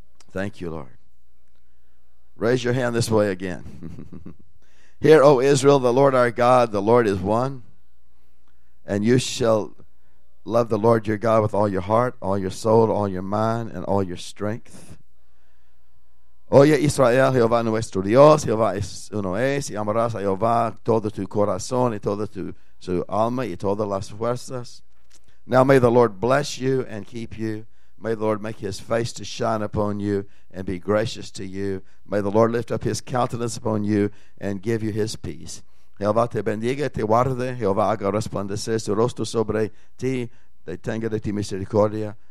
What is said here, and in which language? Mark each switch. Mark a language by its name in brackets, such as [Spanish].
[English] Thank you, Lord. Raise your hand this way again. Hear, O Israel, the Lord our God, the Lord is one, and you shall love the Lord your God with all your heart, all your soul, all your mind, and all your strength. [Spanish] Oye Israel, Jehová nuestro Dios, Jehová uno es, y amarás a Jehová todo tu corazón y todo tu alma y todas las fuerzas. [English] Now may the Lord bless you and keep you. May the Lord make his face to shine upon you and be gracious to you. May the Lord lift up his countenance upon you and give you his peace. [Spanish] Jehová te bendiga, te guarde. Jehová haga resplandecer su rostro sobre ti, te tenga de ti misericordia.